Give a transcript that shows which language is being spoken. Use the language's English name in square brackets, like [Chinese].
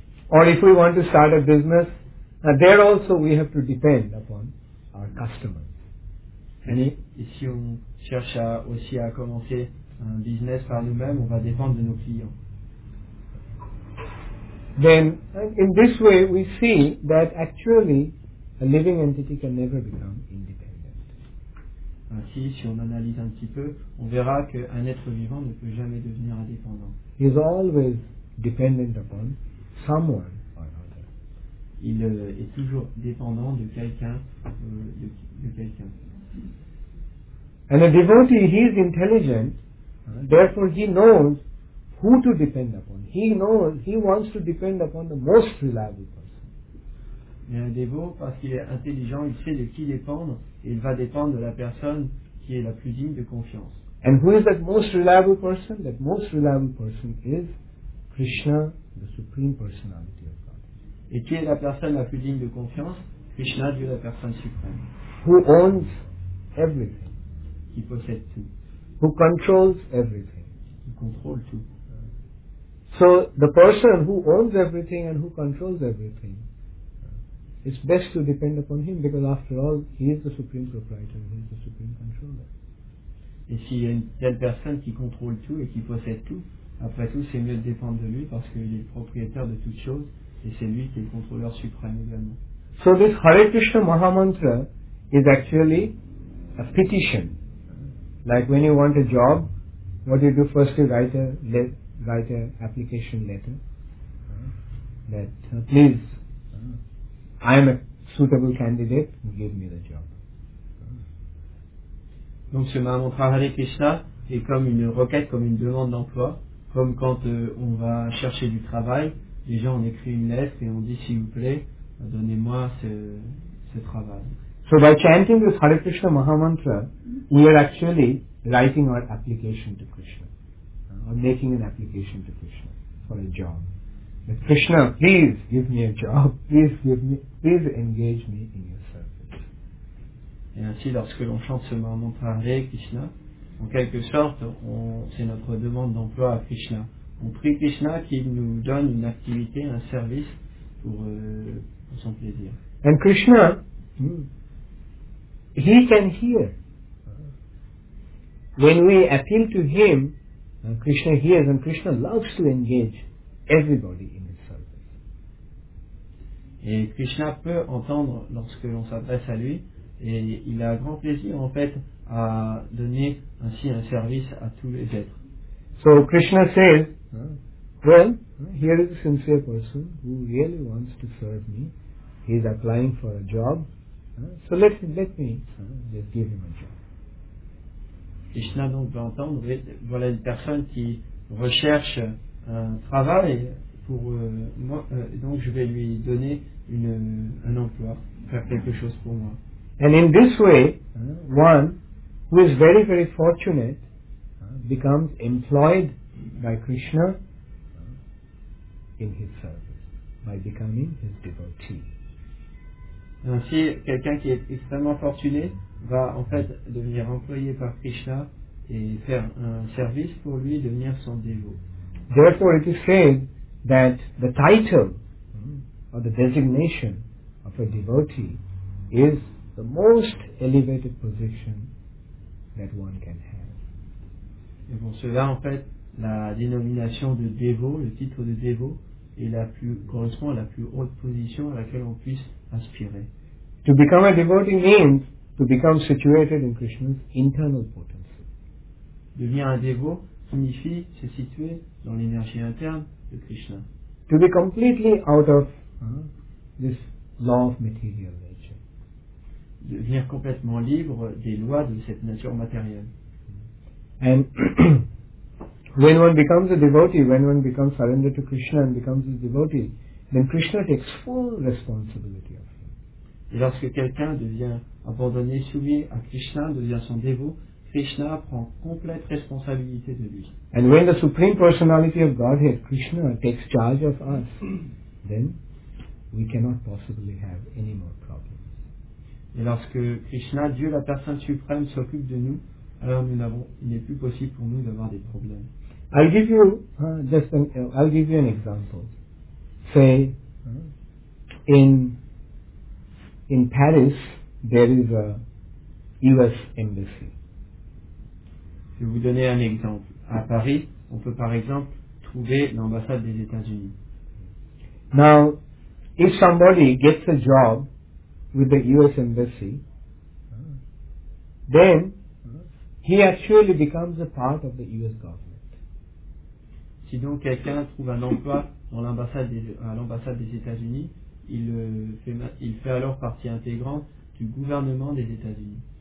[English] Or if we want to start a business, now there also we have to depend upon our customers. [French] Et si on cherche aussi à commencer un business par nous-mêmes, on va dépendre de nos clients. [English] Then, in this way, we see that actually a living entity can never become independent. [French] Ainsi, si on analyse un petit peu, on verra qu'un être vivant ne peut jamais devenir indépendant. [English] He is always dependent upon someone or another. [French] Il est toujours dépendant de quelqu'un. De quelqu'un. [English] And a devotee, he is intelligent, therefore he knows who to depend upon. He knows, he wants to depend upon the most reliable person. [French] Et un dévot, parce qu'il est intelligent, il sait de qui dépendre, et il va dépendre de la personne qui est la plus digne de confiance. [English] And who is that most reliable person? That most reliable person is Krishna, the Supreme Personality of Godhead. [French] Et qui est la personne la plus digne de confiance? Krishna, Dieu, la personne suprême. [English] Who owns everything? [French] Qui possède tout. [English] Who controls everything? [French] Qui contrôle tout. [English] So the person who owns everything and who controls everything, it's best to depend upon him, because after all, he is the supreme proprietor, he is the supreme controller. [French] Et s'il y a une telle personne qui contrôle tout et qui possède tout, après tout, c'est mieux de dépendre de lui, parce qu'il est le propriétaire de toutes choses et c'est lui qui est le contrôleur suprême également. [English] So this Hare Krishna Mahamantra is actually a petition. Like when you want a job, what you do first, you write an application letter that please, I am a suitable candidate, give me the job. [French] Donc ce Mahamantra Hare Krishna est comme une requête, comme une demande d'emploi, comme quand on va chercher du travail, déjà on écrit une lettre et on dit s'il vous plaît, donnez-moi ce travail. [English] So by chanting this Hare Krishna Mahamantra, we are actually writing our application to Krishna, or making an application to Krishna for a job. But Krishna, please give me a job, please engage me in your service. [French] Et ainsi, lorsque l'on chante ce mantra Hare Krishna, en quelque sorte, c'est notre demande d'emploi à Krishna. On prie Krishna qu'il nous donne une activité, un service pour son plaisir. [English] And Krishna, he can hear. When we appeal to him, Krishna hears, and Krishna loves to engage everybody in his service. [French] Et Krishna peut entendre lorsque l'on s'adresse à lui, et il a grand plaisir en fait à donner ainsi un service à tous les êtres. [English] So Krishna says, well, here is a sincere person who really wants to serve me. He is applying for a job. So let me give him a job. [French] Krishna donc peut entendre, voilà une personne qui recherche un travail pour moi, donc je vais lui donner un emploi, faire quelque chose pour moi. [English] And in this way, one who is very very fortunate becomes employed by Krishna in his service, by becoming his devotee. [French] Ainsi, quelqu'un qui est extrêmement fortuné va en fait devenir employé par Krishna et faire un service pour lui, devenir son dévot. [English] Therefore, it is said that the title or the designation of a devotee is the most elevated position that one can have. [French] Et pour cela, en fait, la dénomination de dévot, le titre de dévot, correspond à la plus haute position à laquelle on puisse aspirer. [English] To become a devotee means to become situated in Krishna's internal potency. [French] Devenir un dévot signifie se situer dans l'énergie interne de Krishna. [English] To be completely out of this law of material nature. [French] Devenir complètement libre des lois de cette nature matérielle. [English] And when one becomes a devotee, when one becomes surrendered to Krishna and becomes a devotee, then Krishna takes full responsibility of him. [French] Et lorsque quelqu'un devient abandonné, soumis à Krishna, devient son dévot, Krishna prend complète responsabilité de lui. [English] And when the Supreme Personality of Godhead, Krishna, takes charge of us, then we cannot possibly have any more problems. [French] Et lorsque Krishna, Dieu, la personne suprême, s'occupe de nous, alors il n'est plus possible pour nous d'avoir des problèmes. [English] I'll give you an example. Say, in Paris, there is a U.S. embassy. [French] Je vais vous donner un exemple. À Paris, on peut par exemple trouver l'ambassade des États-Unis. [English] Now, if somebody gets a job with the U.S. embassy, then he actually becomes a part of the U.S. government. [French] Si donc quelqu'un trouve un emploi à l'ambassade des États-Unis, il fait alors partie intégrante du gouvernement des États-Unis.